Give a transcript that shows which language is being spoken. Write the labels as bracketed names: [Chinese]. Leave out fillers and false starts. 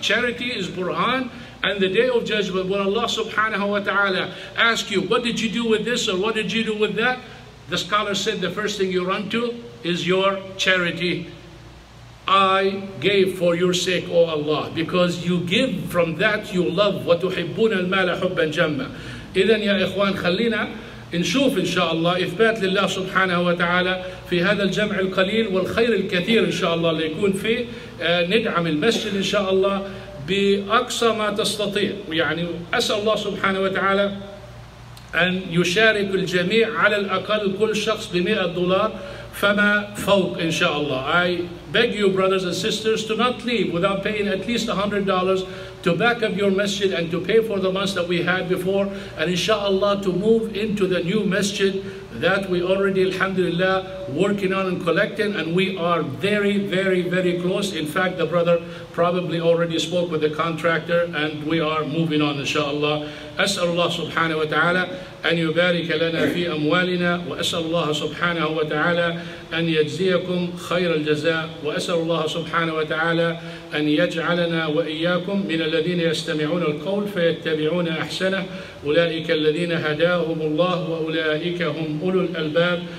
[English] Charity is burhan. And the day of judgment, when Allah subhanahu wa ta'ala asks you, what did you do with this or what did you do with that? The scholar said, the first thing you run to is your charity. I gave for your sake, O Allah, because you give from that you love. [Arabic] وَتُحِبُّونَ الْمَالَ حُبًّا جَمَّا. إِذَنْ يَا إِخْوَانَ خَلِّنَا نشوف إن شاء الله إثبات لله سبحانه وتعالى في هذا الجمع القليل والخير الكثير إن شاء الله اللي يكون فيه. ندعم المسجد إن شاء الله بأقصى ما تستطيع. يعني أسأل الله سبحانه وتعالى أن يشارك الجميع على الأقل كل شخص $100 فما فوق إن شاء الله. [English] I beg you, brothers and sisters, to not leave without paying at least $100 to back up your masjid and to pay for the months that we had before, and inshallah to move into the new masjid that we already, alhamdulillah, working on and collecting, and we are very, very, very close. In fact, the brother probably already spoke with the contractor, and we are moving on, inshallah. [Arabic] أسأل الله سبحانه وتعالى أن يبارك لنا في أموالنا وأسأل الله سبحانه وتعالى أن يجزيكم خير الجزاء وأسأل الله سبحانه وتعالى أن يجعلنا وإياكم من الذين يستمعون القول فيتبعون أحسنه أولئك الذين هداهم الله وأولئك هم أولو الألباب.